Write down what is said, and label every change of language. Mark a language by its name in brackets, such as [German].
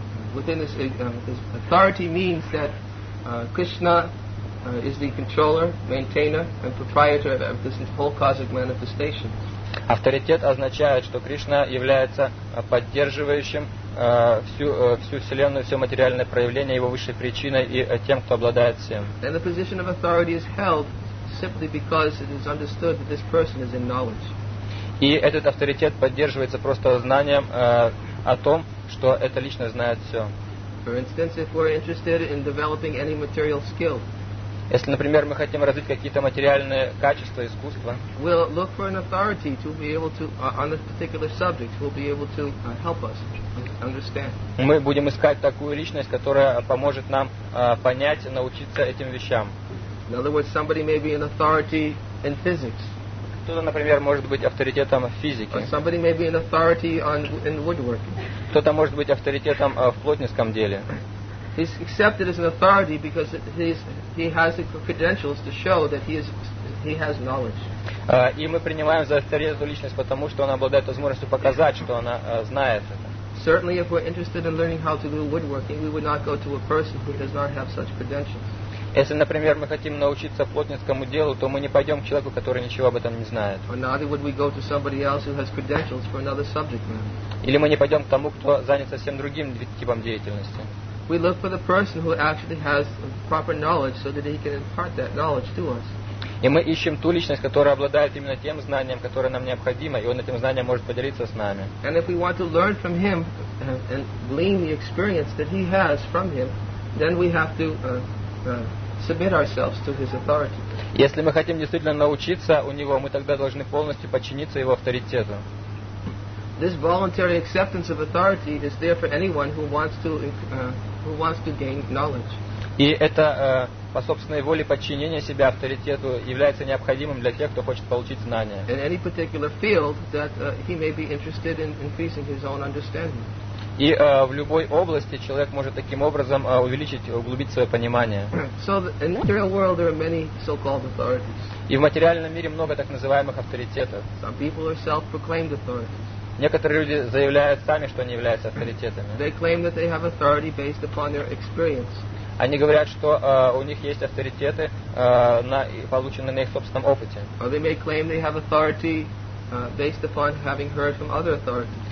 [English] Authority means that Krishna is the controller, maintainer, and proprietor of this whole cosmic manifestation. [Russian] Авторитет означает, что Кришна является поддерживающим всю вселенную, все материальное проявление, его высшей причиной и тем, кто обладает всем. [English] And the position of authority is held simply because it is understood that this person is in knowledge. [Russian] И этот авторитет поддерживается просто знанием о том, что эта личность знает все. [English] For instance, if we're interested in developing any material skill, [Russian] Если, например, мы хотим развить какие-то материальные качества, искусства, [English] we'll look for an authority to be able to on this particular subject who will be able to help us understand. [Russian] Мы будем искать такую личность, которая поможет нам понять и научиться этим вещам. [English] In other words, somebody may be an authority in physics. [Russian] Кто-то, например, может быть авторитетом в физике. [English] Or somebody may be an authority in woodworking. [Russian] Кто-то может быть авторитетом в плотницком деле. [English] He's accepted as an authority because he has the credentials to show that he has knowledge. [Russian] И мы принимаем за авторитет эту личность, потому что она обладает возможностью показать, что она знает это. [English] Certainly, if we're interested in learning how to do woodworking, we would not go to a person who does not have such credentials. [Russian] Если, например, мы хотим научиться плотницкому делу, то мы не пойдем к человеку, который ничего об этом не знает. [English] Or neither would we go to somebody else who has credentials for another subject matter. [Russian] Или мы не пойдем к тому, кто занят совсем другим типом деятельности. [English] We look for the person who actually has proper knowledge so that he can impart that knowledge to us. [Russian] И мы ищем ту личность, которая обладает именно тем знанием, которое нам необходимо, и он этим знанием может поделиться с нами. [English] And if we want to learn from him and glean the experience that he has from him, then we have to submit ourselves to his authority. [Russian] Если мы хотим действительно научиться у него, мы тогда должны полностью подчиниться его авторитету. [English] This voluntary acceptance of authority is there for anyone who wants to gain knowledge. [Russian] И это по собственной воле подчинение себя авторитету является необходимым для тех, кто хочет получить знания. [English] In any particular field that he may be interested in increasing his own understanding. [Russian] И в любой области человек может таким образом углубить свое понимание. [English] So in the material world there are many so-called authorities. [Russian] И в материальном мире много так называемых авторитетов. [English] Some people are self-proclaimed authorities. [Russian] Некоторые люди заявляют сами, что они являются авторитетами. [English] They claim that they have authority based upon their experience. [Russian] Они говорят, что у них есть авторитеты, полученные на их собственном опыте. [English] Or they may claim they have authority based upon having heard from other authorities.